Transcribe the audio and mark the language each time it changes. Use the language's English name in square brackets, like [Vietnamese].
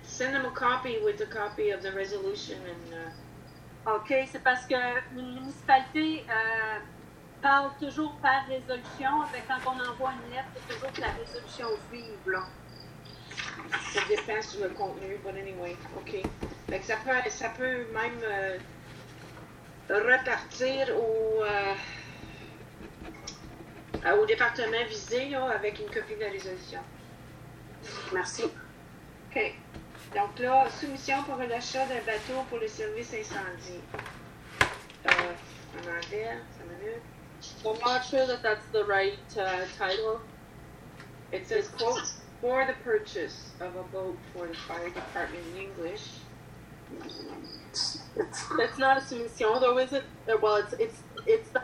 [English] Send them a copy with a copy of the resolution. And, [French] OK, c'est parce que une municipalité parle toujours par résolution, mais quand on envoie une lettre, c'est toujours que la résolution vive, là. Ça dépend sur le contenu, [English] but anyway, OK. [French] Fait que ça peut même repartir au département visé là, avec une copie de la résolution. Merci. OK. Donc là, soumission pour l'achat d'un bateau pour le service incendie. En anglais, 5 minutes. [English] I'm not sure that that's the right title. It says, quote, for the purchase of a boat for the fire department in English. That's not a submission, though, is it? Well, it's that